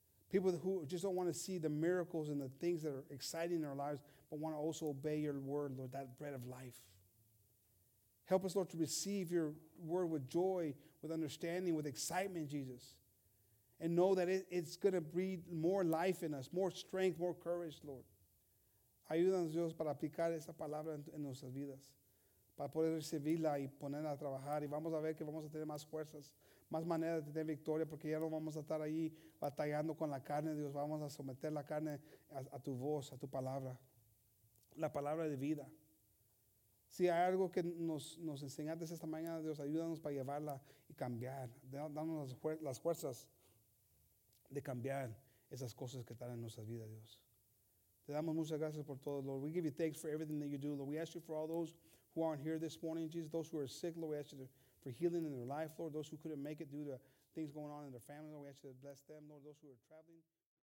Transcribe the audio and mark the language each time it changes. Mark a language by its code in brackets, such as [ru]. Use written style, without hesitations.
[en] People who just don't want to see the miracles and the things that are exciting in our lives but want to also obey your word, Lord, that bread of life. Help us, Lord, to receive your word with joy, with understanding, with excitement, Jesus. And know that it's going to breed more life in us, more strength, more courage, Lord. [es] Ayúdanos, Dios, para aplicar esa palabra en nuestras vidas. Para poder recibirla y ponerla a trabajar. Y vamos a ver que vamos a tener más fuerzas, más maneras de tener victoria, porque ya no vamos a estar ahí batallando con la carne, Dios. Vamos a someter la carne a tu voz, a tu palabra. La palabra de vida. Si hay algo que nos enseñaste esta mañana, Dios, ayúdanos para llevarla y cambiar. Danos las fuerzas de cambiar esas cosas que están en nuestras vidas, Dios. Te damos muchas gracias por todo, Lord. [en] We give you thanks for everything that you do, Lord. We ask you for all those who aren't here this morning, Jesus. Those who are sick, Lord, we ask you for healing in their life, Lord. Those who couldn't make it due to things going on in their family, Lord, we ask you to bless them, Lord. Those who are traveling.